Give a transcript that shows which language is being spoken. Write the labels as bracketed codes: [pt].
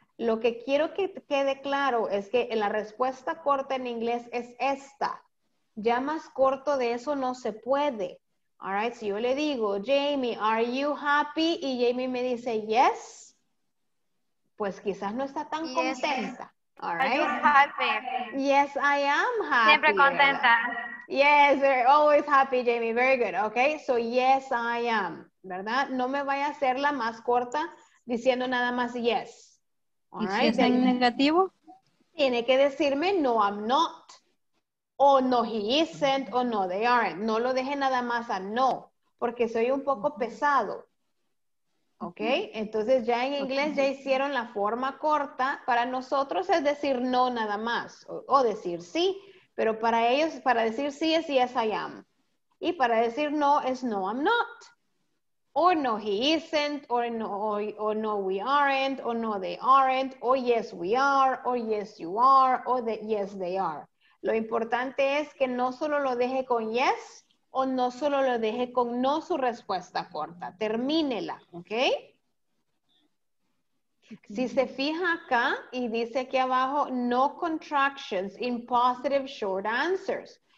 [es] Lo que quiero que quede claro es que la respuesta corta en inglés es esta. Ya más corto de eso no se puede. [en] All right, so [es] yo le digo, [en] Jamie, are you happy? [es] Y Jamie me dice, yes. Pues quizás no está tan contenta. [en] All right. Are you happy? Yes, I am happy. [es] Siempre contenta. [en] Yes, you're always happy, Jamie. Very good. Okay, so yes, I am. ¿Verdad? [es] No me vaya a hacer la más corta diciendo nada más yes. [en] All right. [es] ¿Y si es en negativo? Tiene que decirme, [en] no, I'm not. [es] O [en] no, he isn't, [es] o [en] no, they aren't. [es] No lo deje nada más a no. porque soy un poco pesado. ¿Ok? Entonces ya en inglés ya hicieron la forma corta. Para nosotros es decir no nada más o decir sí. Pero para ellos, para decir sí es [en] yes I am. [es] Y para decir no es [en] no I'm not. O no he isn't, o no we aren't, o no they aren't, o yes we are, o yes you are, o the, yes they are. [es] Lo importante es que no solo lo deje con yes, o no solo lo deje con no su respuesta corta. Termínela, ¿ok? Si se fija acá y dice aquí abajo, [en] no contractions in positive short answers.